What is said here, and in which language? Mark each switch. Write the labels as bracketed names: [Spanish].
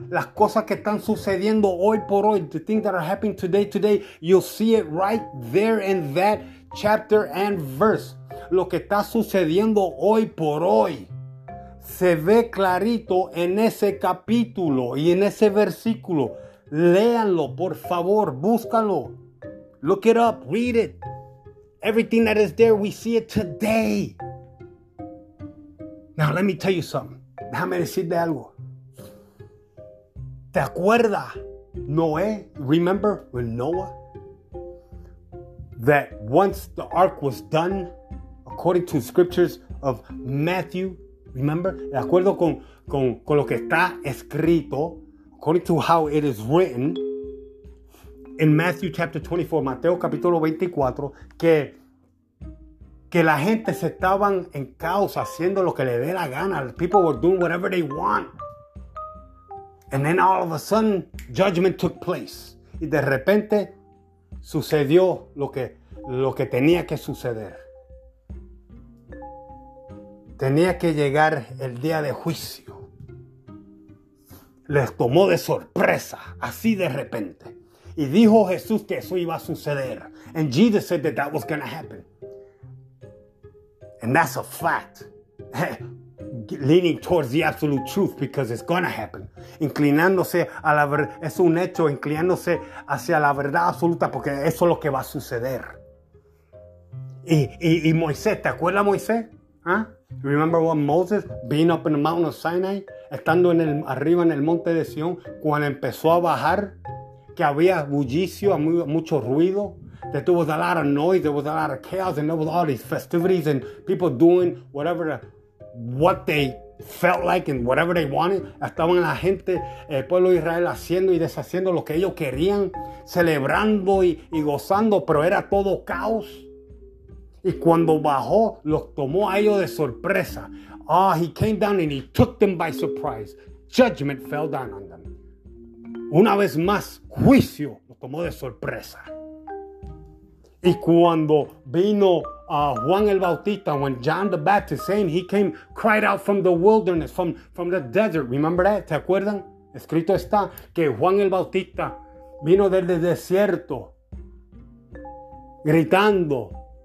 [Spanish] Las cosas que están sucediendo hoy por hoy. [English] The things that are happening today, today. You'll see it right there in that chapter and verse. [Spanish] Lo que está sucediendo hoy por hoy. Se ve clarito en ese capítulo y en ese versículo. Léanlo, por favor, búscalo. [English] Look it up, read it. Everything that is there, we see it today. Now, let me tell you something. [Spanish] Déjame decirte algo. ¿Te acuerdas, Noé? [English] Remember with Noah? That once the ark was done, according to scriptures of Matthew, remember, [Spanish] de acuerdo con lo que está escrito, [English] according to how it is written, in Matthew chapter 24, [Spanish] Mateo capítulo 24, que la gente se estaban en caos haciendo lo que le dé la gana. [English] People were doing whatever they want. And then all of a sudden, judgment took place. [Spanish] Y de repente, sucedió lo que tenía que suceder. Tenía que llegar el día de juicio. Les tomó de sorpresa, así de repente. Y dijo Jesús que eso iba a suceder. [English] And Jesus said that that was going to happen. And that's a fact. Leaning towards the absolute truth because it's going to happen. [Spanish] Inclinándose a la verdad. Es un hecho, inclinándose hacia la verdad absoluta porque eso es lo que va a suceder. Y Moisés, ¿te acuerdas Moisés? ¿Ah? [English] Remember what Moses, being up in the mountain of Sinai, [Spanish] estando en el, arriba en el monte de Sion, cuando empezó a bajar, que había bullicio, mucho ruido, [English] that there was a lot of noise, there was a lot of chaos, and there was all these festivities, and people doing whatever, what they felt like, and whatever they wanted. [Spanish] Estaban la gente, el pueblo de Israel, haciendo y deshaciendo lo que ellos querían, celebrando y gozando, pero era todo caos. Y cuando bajó, los tomó a ellos de sorpresa. [English] Ah, he came down and he took them by surprise. Judgment fell down on them. [Spanish] Una vez más, juicio los tomó de sorpresa. Y cuando vino Juan el Bautista, [English] when John the Baptist came, he came, cried out from the wilderness, from the desert. Remember that? [Spanish] ¿Te acuerdan? Escrito está que Juan el Bautista vino desde el desierto, gritando.